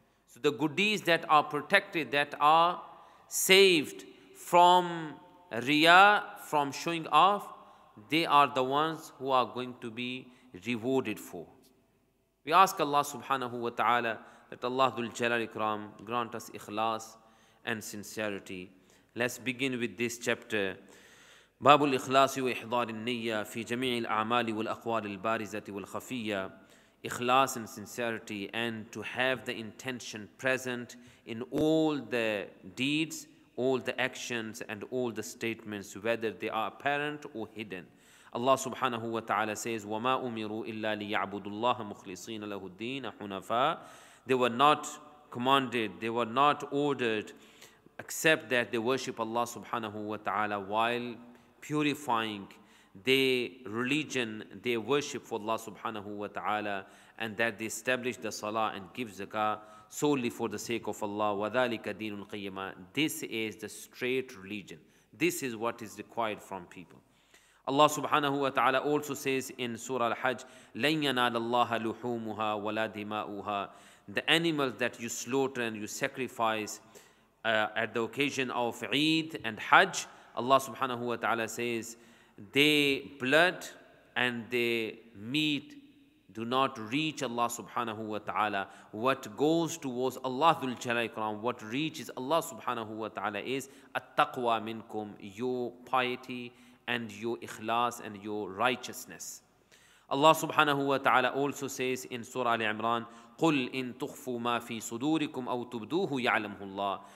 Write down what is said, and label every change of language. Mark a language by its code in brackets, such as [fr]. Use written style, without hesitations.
[en] So the good deeds that are protected, that are saved from riya, from showing off, they are the ones who are going to be rewarded for. We ask Allah subhanahu wa ta'ala that Allah dhul jalal ikram grant us ikhlas and sincerity. Let's begin with this chapter. [ar] باب الإخلاص وإحضار النية في جميع الأعمال والأقوال البارزة والخفية. [en] Ikhlas and sincerity, and to have the intention present in all the deeds, all the actions and all the statements, whether they are apparent or hidden. Allah subhanahu wa ta'ala says, [ar] وَمَا أُمِرُوا إِلَّا لِيَعْبُدُ اللَّهَ مُخْلِصِينَ لَهُ الدِّينَ حُنَفَى. [en] They were not commanded, they were not ordered, except that they worship Allah subhanahu wa ta'ala while purifying their religion, their worship for Allah subhanahu wa ta'ala, and that they establish the salah and give zakah solely for the sake of Allah. [ar] وَذَلِكَ دِينُ الْقِيَّمَةِ. [en] This is the straight religion. This is what is required from people. Allah subhanahu wa ta'ala also says in Surah Al-Hajj, [ar] لَنْ يَنَالَ اللَّهَ لُحُومُهَا وَلَا دِمَاؤُهَا. [en] The animals that you slaughter and you sacrifice at the occasion of Eid and Hajj, Allah subhanahu wa ta'ala says, their blood and their meat do not reach Allah subhanahu wa ta'ala. What goes towards Allah dhul jalal ikram, what reaches Allah subhanahu wa ta'ala is [ar] at-taqwa minkum, [en] your piety and your ikhlas and your righteousness. Allah subhanahu wa ta'ala also says in Surah Al-Imran, [ar] قُلْ إِن تُخْفُوا مَا فِي صُدُورِكُمْ أَوْ تُبْدُوهُ يَعْلَمْهُ اللَّهِ.